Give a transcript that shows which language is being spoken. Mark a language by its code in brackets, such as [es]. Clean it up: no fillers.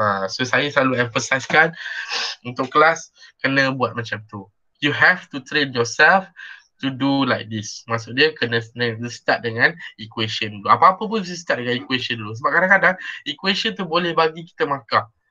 [ms] So saya selalu emphasiskan untuk kelas kena buat macam tu. [en] You have to train yourself to do like this. [ms] Maksud dia kena start dengan equation dulu. Apa-apa pun mesti start dengan equation dulu. Sebab kadang-kadang equation tu boleh bagi kita markah.